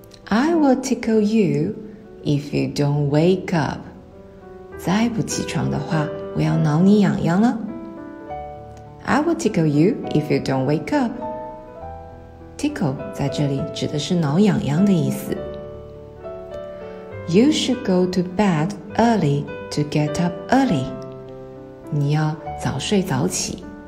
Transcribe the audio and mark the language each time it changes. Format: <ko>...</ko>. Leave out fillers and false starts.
<en>I will tickle you if you don't wake up.</en> <zh>再不起床的话，我要挠你痒痒了。</zh> <en>I will tickle you if you don't wake up.</en> <zh>Tickle 在这里指的是挠痒痒的意思。</zh> <en>You should go to bed early to get up early.</en> <zh>你要早睡早起。</zh>